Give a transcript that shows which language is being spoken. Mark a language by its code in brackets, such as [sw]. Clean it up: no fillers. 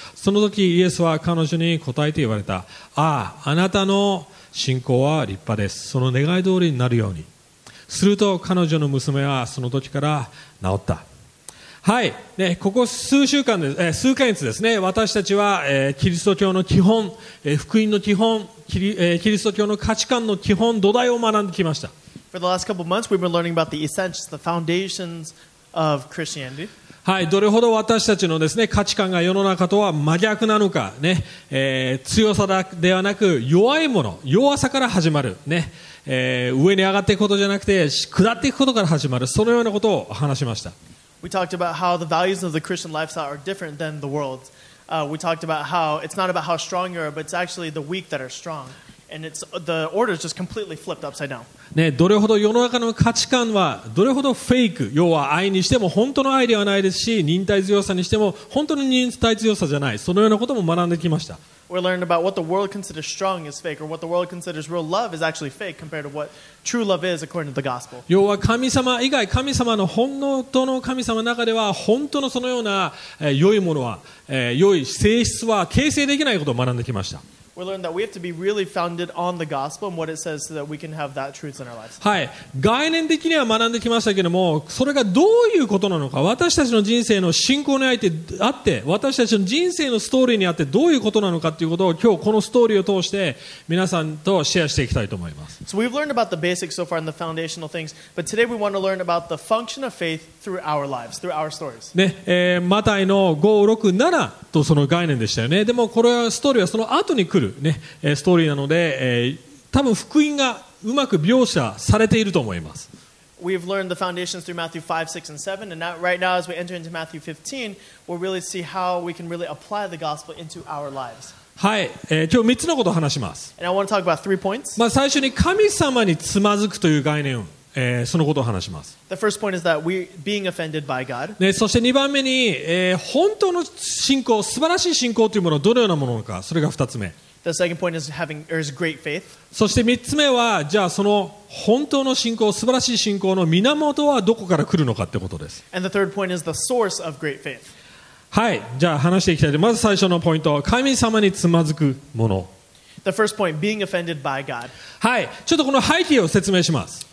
[ja] その時イエスは彼女に答えて言われた、あなたの信仰は立派です、その願い通りになるように。すると彼女の娘はその時から治った。はい、ね、ここ数週間で、数ヶ月ですね、私たちは、キリスト教の基本、福音の基本、キリスト教の価値観の基本、土台を学んできました。 [en] For the last couple of months, we've been learning about the essentials, the foundations of Christianity. [ja] はい、どれほど私たちのですね、価値観が世の中とは真逆なのかね、強さではなく弱いもの、弱さから始まるね、上に上がっていくことじゃなくて下っていくことから始まる、そのようなことを話しました。 [en] We talked about how the values of the Christian lifestyle are different than the world's. We talked about how it's not about how strong you are, but it's actually the weak that are strong. And it's, the order is just completely flipped upside down. [ja] ね、どれほど世の中の価値観はどれほどフェイク、要は愛にしても本当の愛ではないですし、忍耐強さにしても本当の忍耐強さじゃない、そのようなことも学んできました。 [en] We learned about what the world considers strong is fake, or what the world considers real love is actually fake compared to what true love is according to the gospel. [ja] 要は神様以外、神様の本当の神様の中では本当のそのような、良いものは、良い性質は形成できないことを学んできました。 [en] We learned that we have to be really founded on the gospel and what it says so that we can have that truth in our lives. [ja] はい、概念的には学んできましたけれども、それがどういうことなのか、私たちの人生の信仰にあって、私たちの人生のストーリーにあってどういうことなのかということを今日このストーリーを通して皆さんとシェアしていきたいと思います。 [en] So we've learned about the basics so far and the foundational things, but today we want to learn about the function of faith through our lives, through our stories. [ja] ね、マタイの5、6、7とその概念でしたよね。でもこれはストーリーはその後に。来る、ね、ストーリーなので、多分福音がうまく描写されていると思います。 [en] We've learned the foundations through Matthew 5, 6 and 7 and now, right now as we enter into Matthew 15 we'll really see how we can really apply the gospel into our lives. [ja] はい、今日3つのことを話します。 [en] And I want to talk about three points. [ja] まあ最初に神様につまずくという概念、そのことを話します。 [en] The first point is that we being offended by God.、 [ja] ね、そして2番目に、本当の信仰、素晴らしい信仰というものはどのようなものか、それが2つ目。 [en] The second point is having, or is great faith. [ja] そして3つ目は、じゃあその本当の信仰、素晴らしい信仰の源はどこから来るのかってことです。 [en] And the third point is the source of great faith. [ja] はい、じゃあ話していきたい。まず最初のポイント、神様につまずくもの。 [en] The first point, being offended by God. [ja] はい、ちょっとこの背景を説明します。